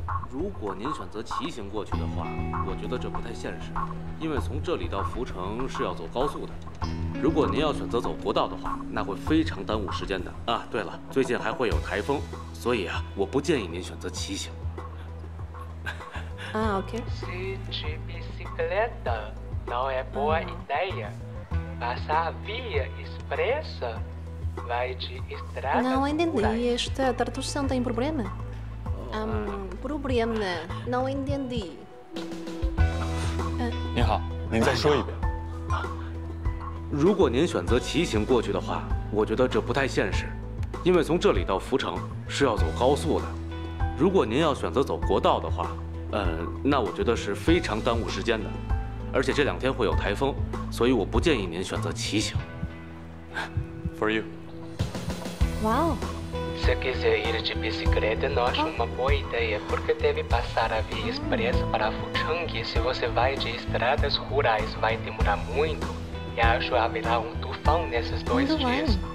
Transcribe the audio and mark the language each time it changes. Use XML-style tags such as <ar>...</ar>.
<zh>如果您选择骑行过去的话，我觉得这不太现实，因为从这里到浮城是要走高速的。如果您要选择走国道的话，那会非常耽误时间的啊。对了，最近还会有台风，所以啊，我不建议您选择骑行。啊 ，OK。</zh> <pt>Se de bicicleta não é boa ideia, passa a via expressa, vai de estrada. Não entendi esta tradução, tem problema? Problema, não entendi.</pt> <zh>您好，您再说一遍。如果您选择骑行过去的话，我觉得这不太现实，因为从这里到浮城是要走高速的。如果您要选择走国道的话，那我觉得是非常耽误时间的，而且这两天会有台风，所以我不建议您选择骑行。</zh> <en>For you. Wow.</en> <pt>Se quiser ir de bicicleta, não acho uma boa ideia, porque deve passar a via expressa para Fuchang. E se você vai de estradas rurais, vai demorar muito. E acho que haverá um tufão nesses dois dias.</pt>